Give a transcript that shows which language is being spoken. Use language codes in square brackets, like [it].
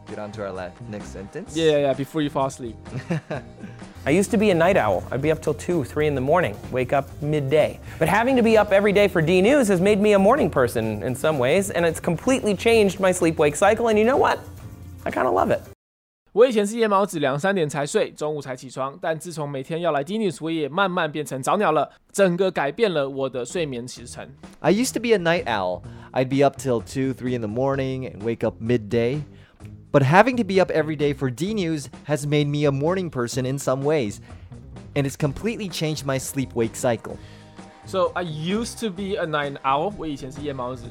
[en] Get on to our next sentence. Yeah, before you fall asleep. I used to be a night owl. I'd be up till 2-3 in the morning, wake up midday. But having to be up every day for DNews has made me a morning person in some ways, and it's completely changed my sleep-wake cycle, and you know what? I kind of love it. [zh] 我以前是夜猫子，两三点才睡，中午才起床。但自从每天要来 DNews， 我也慢慢变成早鸟了，整个改变了我的睡眠时程。 [en] I used to be a night owl. I'd be up till 2-3 in the morning and wake up midday. But having to be up every day for DNews has made me a morning person in some ways, and it's completely changed my sleep-wake cycle. So I used to be a night owl. [zh] 我以前是夜猫子。